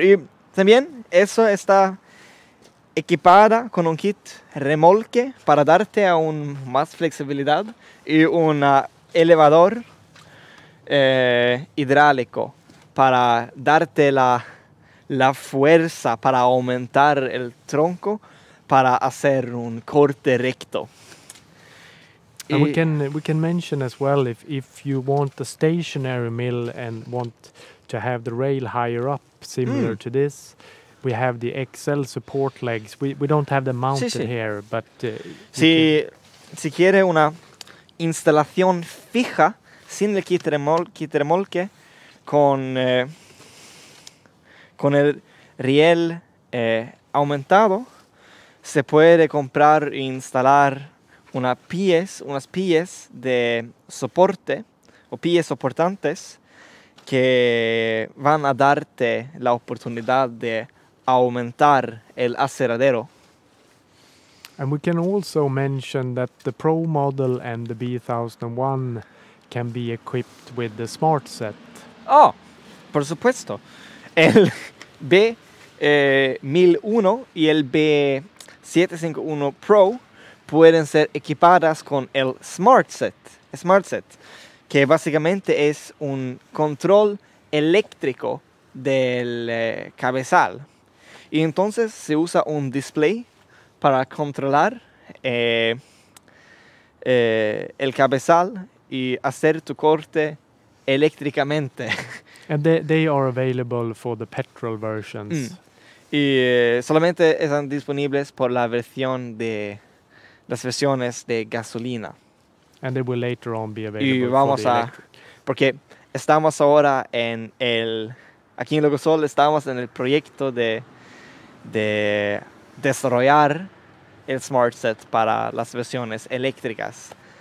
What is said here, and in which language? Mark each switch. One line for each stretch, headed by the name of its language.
Spanish: Y también eso está equipada con un kit remolque para darte aún más flexibilidad y un elevador hidráulico para darte la fuerza para aumentar el tronco para hacer un corte recto.
English: And we can mention as well if you want a stationary mill and want to have the rail higher up similar to this, we have the XL support legs. We don't have them mounted here, but
Spanish: si quiere una instalación fija sin el kit remolque con el riel aumentado, se puede comprar e instalar unas pies de soporte o pies soportantes que van a darte la oportunidad de aumentar el aceradero.
English: And we can also mention that the Pro model and the B1001 can be equipped with the smart set.
Spanish: Oh, por supuesto. El B1001 y el B751 Pro pueden ser equipadas con el smart set, que básicamente es un control eléctrico del cabezal. Y entonces se usa un display para controlar el cabezal y hacer tu corte eléctricamente.
English: And they are available for the petrol versions. Mm.
Spanish: Y solamente están disponibles por la versión de las versiones de gasolina.
English: And they will later on be available
Spanish: y vamos
English: for the
Spanish: a,
English: electric.
Spanish: Porque estamos ahora en el, aquí en Logosol estamos en el proyecto de desarrollar el smart set para las versiones eléctricas.